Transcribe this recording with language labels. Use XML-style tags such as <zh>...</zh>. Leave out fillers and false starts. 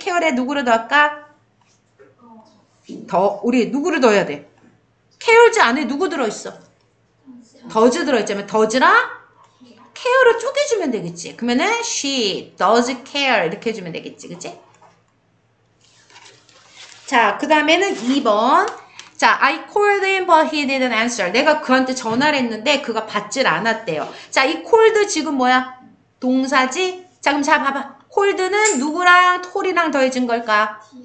<ko>care에 누구를 넣을까? 더, 우리 누구를 넣어야 돼? cares 안에 누구 들어있어? does 들어있잖아. does랑 care를 쪼개주면 되겠지. 그러면은</ko> <en>she does care</en> <ko>이렇게 해주면 되겠지. 그치? 자, 그 다음에는 2번.</ko> <en>자, I called him, but he didn't answer.</en> <ko>내가 그한테 전화를 했는데, 그가 받질 않았대요. 자, 이 called 지금 뭐야? 동사지? 자, 그럼 자, 봐봐. called는 누구랑 told이랑 더해진 걸까?</ko>